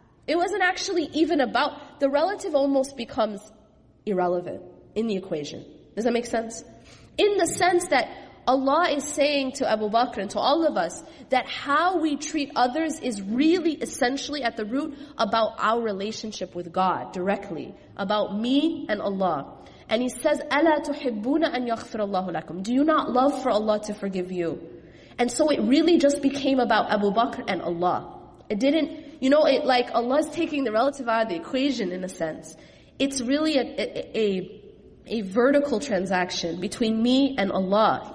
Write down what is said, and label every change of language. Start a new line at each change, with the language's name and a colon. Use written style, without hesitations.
English: It wasn't actually even about, the relative almost becomes irrelevant in the equation. Does that make sense? In the sense that Allah is saying to Abu Bakr and to all of us, that how we treat others is really essentially at the root about our relationship with God directly, about me and Allah. And he says,
Arabic: أَلَا تُحِبُّونَ أَنْ يَغْفِرَ اللَّهُ لَكُمْ.
English: Do you not love for Allah to forgive you? And so it really just became about Abu Bakr and Allah. It didn't, you know, it like Allah is taking the relative out of the equation in a sense. It's really a vertical transaction between me and Allah.